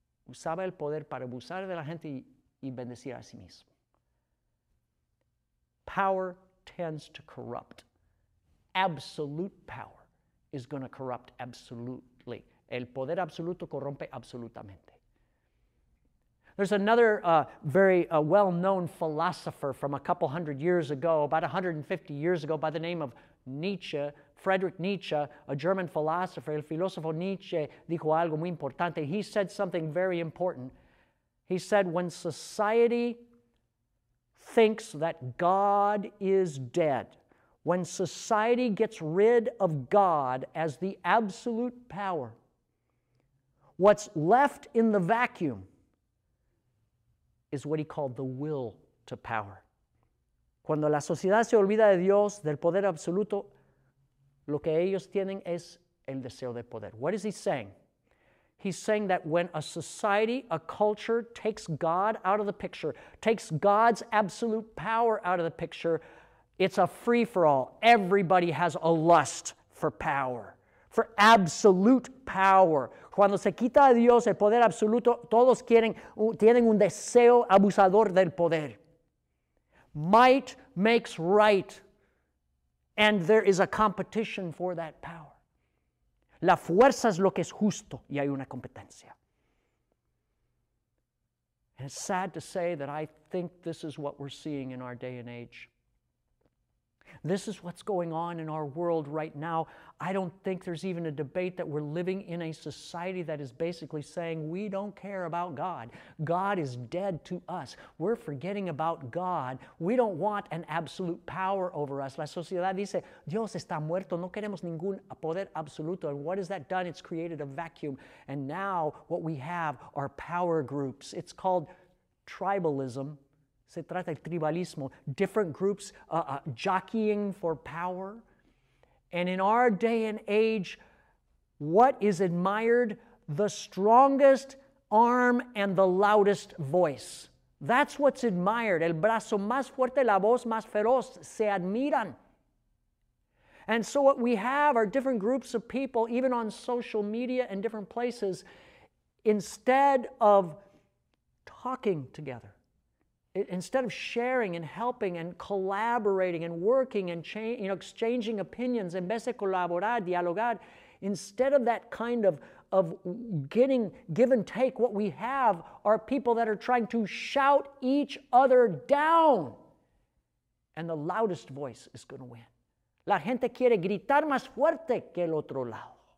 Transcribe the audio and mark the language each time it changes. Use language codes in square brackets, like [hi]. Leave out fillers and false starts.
[es] Usaba el poder para abusar de la gente y bendecir a sí mismo. [en] Power tends to corrupt. Absolute power is going to corrupt absolutely. [es] El poder absoluto corrompe absolutamente. [en] There's another very well-known philosopher from a couple hundred years ago, about 150 years ago, by the name of Nietzsche, Friedrich Nietzsche, a German philosopher. [es] El filósofo Nietzsche dijo algo muy importante. [en] He said something very important. He said, when society thinks that God is dead, when society gets rid of God as the absolute power, what's left in the vacuum is what he called the will to power. [es] Cuando la sociedad se olvida de Dios, del poder absoluto, lo que ellos tienen es el deseo de poder. [en] What is he saying? He's saying that when a society, a culture, takes God out of the picture, takes God's absolute power out of the picture, it's a free-for-all. Everybody has a lust for power, for absolute power. [es] Cuando se quita de Dios el poder absoluto, todos tienen un deseo abusador del poder. [en] Might makes right, and there is a competition for that power. [es] La fuerza es lo que es justo, y hay una competencia. [en] And it's sad to say that I think this is what we're seeing in our day and age. This is what's going on in our world right now. I don't think there's even a debate that we're living in a society that is basically saying we don't care about God. God is dead to us. We're forgetting about God. We don't want an absolute power over us. [es] La sociedad dice, Dios está muerto. No queremos ningún poder absoluto. [en] And what has that done? It's created a vacuum. And now what we have are power groups. It's called tribalism. [es] Se trata del tribalismo, [en] different groups jockeying for power. And in our day and age, what is admired? The strongest arm and the loudest voice. That's what's admired. [es] El brazo más fuerte, la voz más feroz, se admiran. [en] And so what we have are different groups of people, even on social media and different places, instead of talking together, instead of sharing and helping and collaborating and working and exchanging opinions, [es] en vez de colaborar, dialogar, [en] instead of that kind of getting give and take, what we have are people that are trying to shout each other down. And the loudest voice is going to win. [es] La gente quiere gritar más fuerte que el otro lado.